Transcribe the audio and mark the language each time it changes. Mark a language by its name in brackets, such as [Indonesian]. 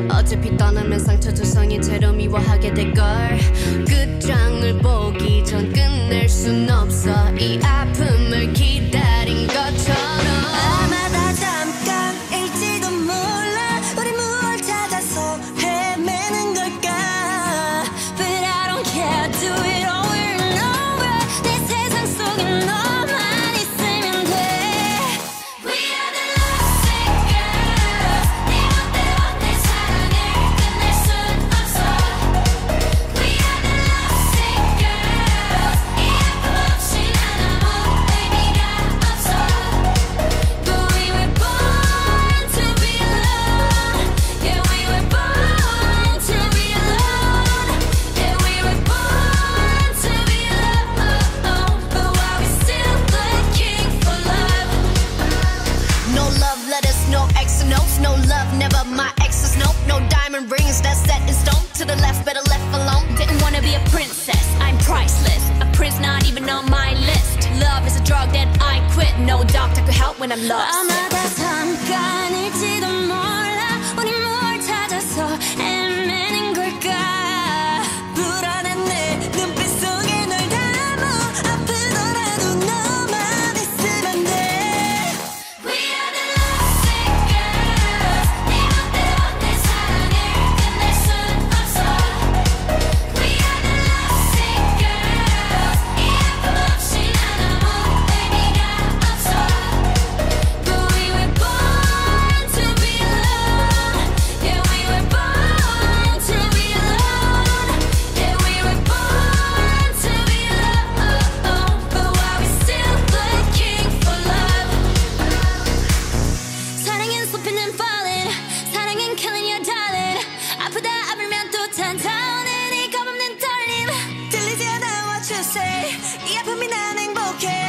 [Korean] 어차피 떠나면 상처 두성이 채로 미워하게 될걸. 끝장을 보기 전 끝낼 순 없어. 이 아픔을 기다린 것처럼 아마다 잠깐일지도 몰라. 우리 뭘 찾아서 헤매는 걸까. [English] But I don't care, do it over and over. [Korean] 내 세상 속에 너만 있으면 돼. [English] We are the lovesick girls. [Korean] 네 멋대로 내 사랑을 끝낼 순 없어. [English] We are the lovesick girls. [Korean] 이 아픔 없인 난 아무 의미가 없어. [English] But we were born to be alone. Yeah, we were born to be alone. Yeah, we were born to be alone. But why we still looking for love? No love letters, no X notes. No love, never my exes, nope. No diamond rings, that's set in stone. To the left, better left alone. Didn't wanna be a princess, I'm priceless. A prince not even on my list. Love is a drug that I quit. No doctor could help when I'm lost. [Korean] 아마도 잠깐일지도 몰라. 우리 뭘 찾아서 헤매는 걸까. 불안한 내 눈빛 속에 널 담아. 아프더라도 너만 있으면 돼. [English] We are the lovesick girls. [Korean] 네 멋대로 내 사랑을 끝낼 순 없어. [English] We are the lovesick girls. [Korean] 이 아픔 없이 난 아무 의미가 없어. [English] But we were born to be alone. Yeah, we were born to be alone. Yeah, we were born to be alone. But why we still looking for love? [Korean] 사랑은 [English] slipping and falling. 사랑은 killing your darling. [Korean] 아프다 아플면 또 찾아오는 이 겁없는 떨림. 들리지 않아 [English] what you say. [Korean] 이 아픔이 난 행복해.